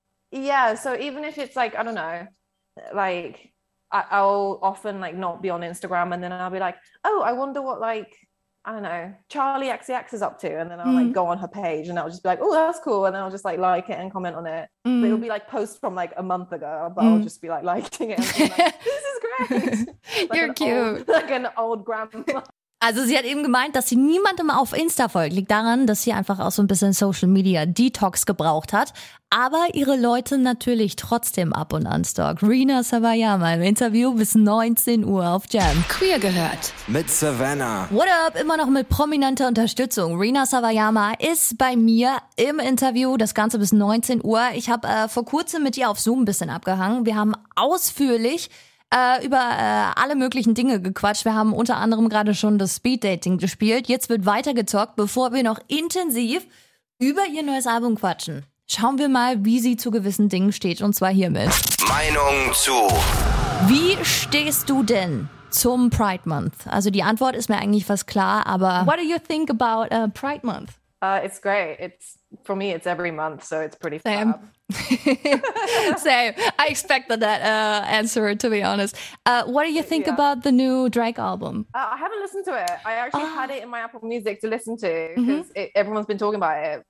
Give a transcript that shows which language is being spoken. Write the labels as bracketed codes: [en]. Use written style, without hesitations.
[en] Yeah, so even if it's like, I don't know, like, I'll often like not be on Instagram and then I'll be like, oh, I wonder what like, I don't know, Charlie XCX is up to. And then I'll like go on her page and I'll just be like, oh, that's cool. And then I'll just like it and comment on it. Mm. But it'll be like posts from like a month ago, but I'll just be like liking it. Like, this is great. Like, you're cute. Old, like an old grandma. [de] Also sie hat eben gemeint, dass sie niemandem auf Insta folgt. Liegt daran, dass sie einfach auch so ein bisschen Social Media Detox gebraucht hat. Aber ihre Leute natürlich trotzdem ab und an stalkt. Rina Savayama im Interview bis 19 Uhr auf Jam. Queer gehört. Mit Savannah. [en] What up? [de] Immer noch mit prominenter Unterstützung. Rina Savayama ist bei mir im Interview. Das Ganze bis 19 Uhr. Ich habe vor kurzem mit ihr auf Zoom ein bisschen abgehangen. Wir haben ausführlich über alle möglichen Dinge gequatscht. Wir haben unter anderem gerade schon das Speed-Dating gespielt. Jetzt wird weitergezockt, bevor wir noch intensiv über ihr neues Album quatschen. Schauen wir mal, wie sie zu gewissen Dingen steht, und zwar hiermit. Meinung zu. Wie stehst du denn zum Pride Month? Also die Antwort ist mir eigentlich fast klar, aber [en] what do you think about Pride Month? It's great. It's, for me, it's every month, so it's pretty fab. Same. Same. I expected that answer, to be honest. What do you think about the new Drake album? I haven't listened to it. I actually had it in my Apple Music to listen to because everyone's been talking about it.